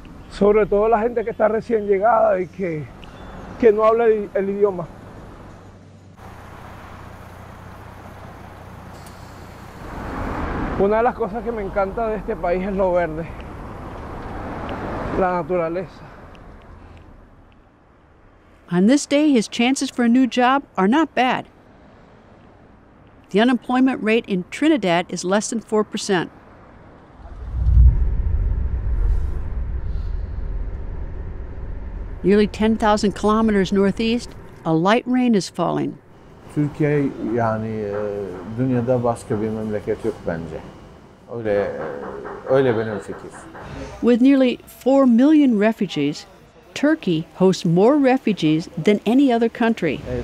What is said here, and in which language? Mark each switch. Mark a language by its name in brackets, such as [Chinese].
[Spanish] Sobre todo la gente que está recién llegada y que no habla el idioma. Una de las cosas que me encanta de este país es lo verde. La naturaleza. [English] On this day, his chances for a new job are not bad. The unemployment rate in Trinidad is less than 4%. Nearly 10,000 kilometers northeast, a light rain is falling. [Turkish] Türkiye yani dünyada başka bir memleket yok bence. Öyle benim fikrim. [English] With nearly 4 million refugees, Turkey hosts more refugees than any other country.